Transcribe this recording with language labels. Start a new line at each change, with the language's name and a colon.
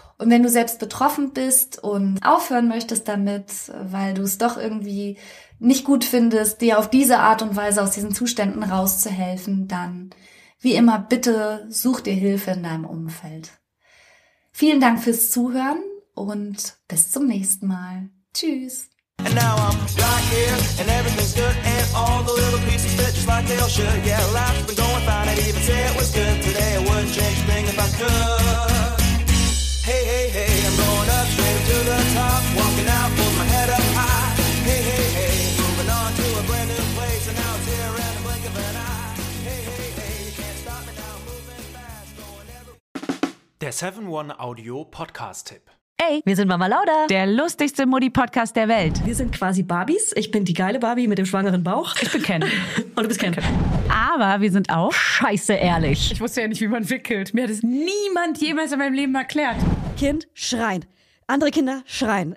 German: Und wenn du selbst betroffen bist und aufhören möchtest damit, weil du es doch irgendwie nicht gut findest, dir auf diese Art und Weise aus diesen Zuständen rauszuhelfen, dann wie immer bitte such dir Hilfe in deinem Umfeld. Vielen Dank fürs Zuhören und bis zum nächsten Mal. Tschüss.
English: And now I'm right here, and everything's good, and all the little pieces fit just like they all should. Yeah, life's been going fine, I'd even say it was good today. I wouldn't change a thing if I could. Hey, hey, hey, I'm going up straight to the top, walking out with my head up high. Hey, hey, hey, moving on to a brand new place, and now it's here in the blink of an eye. Hey, hey, hey, you can't stop me now, moving fast, going everywhere.
German: Der 7-1 Audio Podcast Tipp. Hey, wir sind Mama Lauda, der lustigste Mutti-Podcast der Welt. Wir sind quasi Barbies. Ich bin die geile Barbie mit dem schwangeren Bauch. Ich bin Ken. Und du bist Ken. Aber wir sind auch scheiße ehrlich. Ich wusste ja nicht, wie man wickelt. Mir hat es niemand jemals in meinem Leben erklärt. Kind schreien. Andere Kinder schreien.